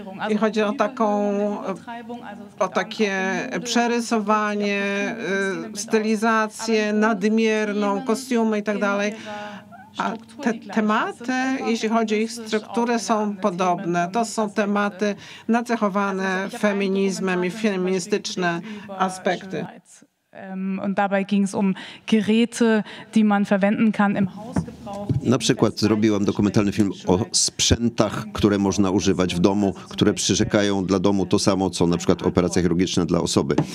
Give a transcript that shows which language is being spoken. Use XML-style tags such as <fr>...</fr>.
<pl>I chodzi o taką, o takie przerysowanie, stylizację nadmierną, kostiumy i tak dalej. A te tematy, jeśli chodzi o ich strukturę, są podobne. To są tematy nacechowane feminizmem i feministyczne aspekty.</pl> <de>Und dabei ging es um Geräte, die man verwenden kann im Hausgebrauch.</de> <pl>Na przykład zrobiłam dokumentalny film o sprzętach, które można używać w domu, które przyrzekają dla domu to samo, co na przykład operacja chirurgiczna dla osoby.</pl>